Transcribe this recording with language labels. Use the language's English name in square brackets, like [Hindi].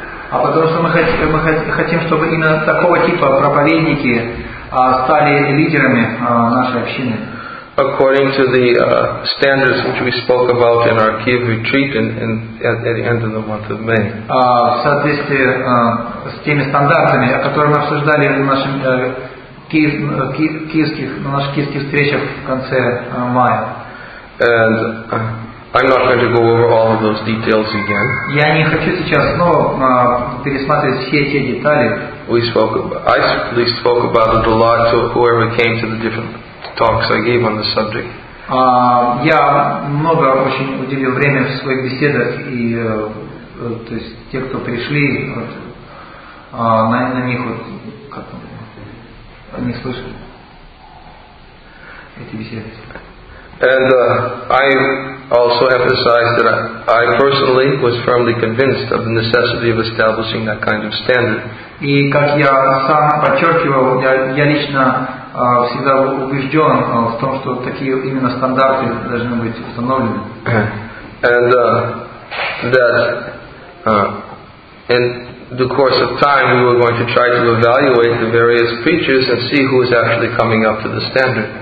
[Russian] А потому что мы хотим, чтобы именно такого типа проповедники стали лидерами нашей общины. [English] According to the standards which we spoke about in our Kyiv retreat at the end of the month of May. [Russian] В соответствии с теми стандартами, о которых мы обсуждали в нашем киевских встречах в конце мая. [English] And I'm not going to go over all of those details again. [Russian] Я не хочу сейчас снова пересматривать все эти детали. [English] I spoke about it a lot to whoever came to the different talks I gave on the subject. [Russian] Я много очень уделил время в своих беседах и то есть те, кто пришли, на них вот как они слышали эти беседы. [English] And I also emphasized that I personally was firmly convinced of the necessity of establishing that kind of standard. [Russian] И как я сам подчеркивал, я лично всегда убежден в том, что такие именно стандарты должны быть установлены. [English] And that in the course of time we were going to try to evaluate the various preachers and see who is actually coming up to the standard.